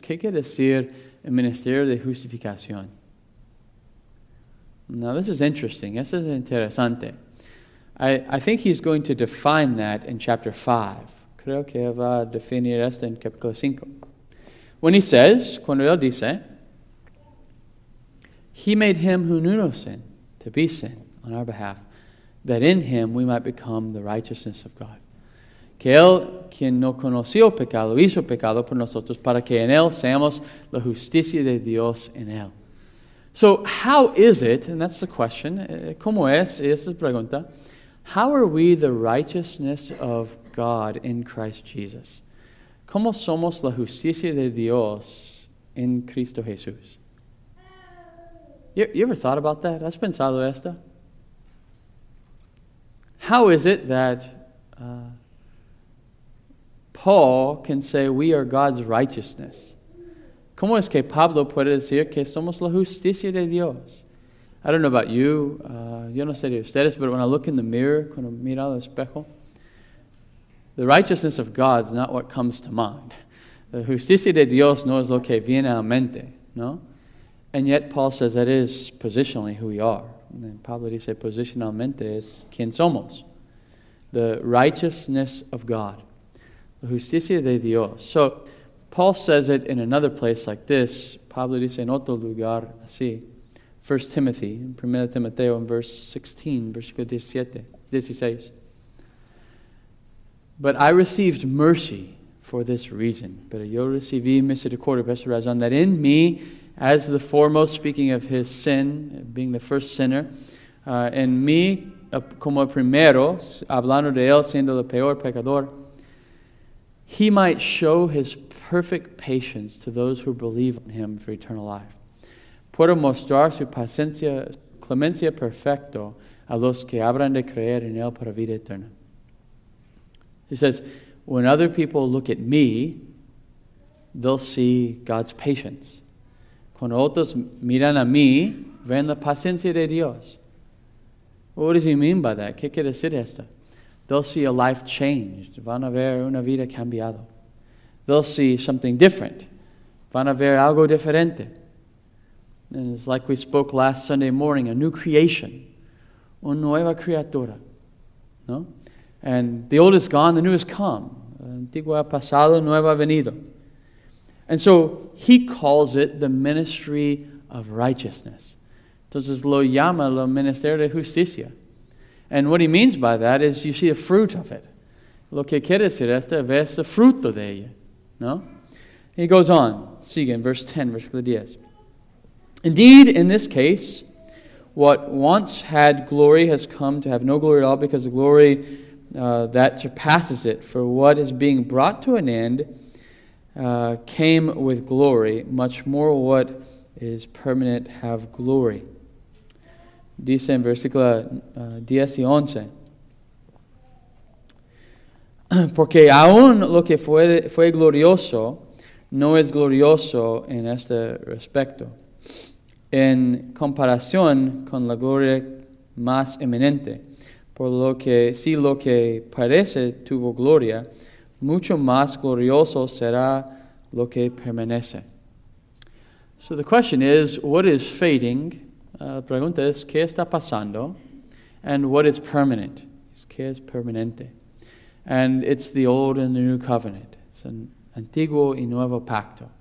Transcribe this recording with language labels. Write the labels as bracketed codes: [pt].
[es] ¿Qué quiere decir el ministerio de justificación? [en] Now, this is interesting. [es] Esto es interesante. [en] I think he's going to define that in chapter 5. [es] Creo que va a definir esto en capítulo 5. [en] When he says, [es] cuando él dice, [en] he made him who knew no sin to be sin on our behalf, that in him we might become the righteousness of God. [es] Que él, quien no conoció pecado, hizo pecado por nosotros, para que en él seamos la justicia de Dios en él. [en] So how is it, and that's the question, [es] ¿cómo es? Esa es la pregunta. [en] How are we the righteousness of God in Christ Jesus? [es] ¿Cómo somos la justicia de Dios en Cristo Jesús? [en] You ever thought about that? [es] ¿Has pensado esto? [en] How is it that Paul can say we are God's righteousness? [es] ¿Cómo es que Pablo puede decir que somos la justicia de Dios? [en] I don't know about you, [es] yo no sé de ustedes, [en] but when I look in the mirror, [es] cuando miro al espejo, [en] the righteousness of God is not what comes to mind. [es] The justicia de Dios no es lo que viene a mente, ¿no? [en] And yet Paul says that is positionally who we are. And then [es] Pablo dice, positionalmente es quien somos. [en] The righteousness of God. [es] La justicia de Dios. [en] So, Paul says it in another place like this. [es] Pablo dice en otro lugar así. [en] 1 Timothy, in 1 Timoteo, in verse 16, [es] versículo 16. [en] But I received mercy for this reason. [es] Pero yo recibí misericordia por esta razón, [en] that in me, as the foremost, speaking of his sin, being the first sinner, [es] en mí como primero, hablando de él siendo el peor pecador, [en] he might show his perfect patience to those who believe on him for eternal life. [es] Puedo mostrar su paciencia, clemencia perfecto a los que habrán de creer en él para vida eterna. [en] He says, when other people look at me, they'll see God's patience. [es] Cuando otros miran a mí, ven la paciencia de Dios. [en] Well, what does he mean by that? [es] ¿Qué quiere decir esto? [en] They'll see a life changed. [es] Van a ver una vida cambiada. [en] They'll see something different. [es] Van a ver algo diferente. [en] And it's like we spoke last Sunday morning, a new creation. [es] Una nueva criatura. [en] No? And the old is gone, the new has come. [es] Antiguo ha pasado, nuevo ha venido. [en] And so he calls it the ministry of righteousness. [es] Entonces lo llama el ministerio de justicia. [en] And what he means by that is you see the fruit of it. [es] Lo que quiere decir esto, ves el fruto de ella. [en] No? He goes on, sigue in verse 10, [es] versículo 10. [en] Indeed, in this case, what once had glory has come to have no glory at all because the glory that surpasses it, for what is being brought to an end came with glory, much more what is permanent have glory. [es] Dice en versículo 10 y 11. Porque aún lo que fue glorioso no es glorioso en este respecto, en comparación con la gloria más eminente. Por lo que, si lo que parece tuvo gloria, mucho más glorioso será lo que permanece. [en] So the question is, what is fading? [es] La pregunta es, ¿qué está pasando? [en] And what is permanent? [es] ¿Qué es permanente? [en] And it's the old and the new covenant. It's an [es] antiguo y nuevo pacto.